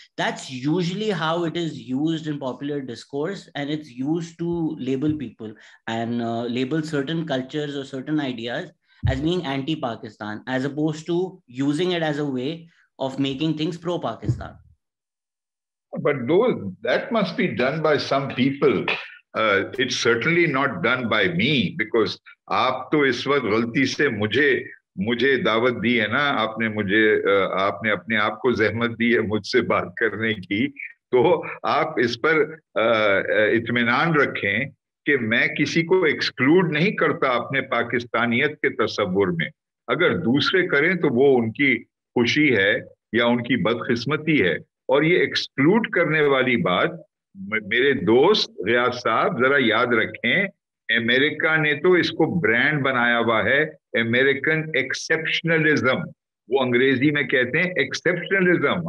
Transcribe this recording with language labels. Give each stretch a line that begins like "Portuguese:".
English: That's usually how it is used in popular discourse and it's used to label people and label certain cultures or certain ideas as being anti-Pakistan, as opposed to using it as a way of making things pro-Pakistan. But those, that must be done by some people. It's certainly not done by me, because
Urdu: aap to is waqt galti se mujhe daawat di hai na, aapne mujhe, aapne apne aap ko zehmat di hai mujhse baat karne ki, to aap is par itminaan rakhein, کہ میں کسی کو exclude نہیں کرتا اپنے پاکستانیت کے تصور میں. اگر دوسرے کریں تو وہ ان کی خوشی ہے یا ان کی بدقسمتی ہے, اور یہ ایکسکلوڈ کرنے والی بات میرے دوست غیاث صاحب ذرا یاد رکھیں, امریکہ نے تو اس کو برانڈ بنایا ہوا ہے امریکن ایکسپشنلزم, وہ انگریزی میں کہتے ہیں ایکسپشنلزم.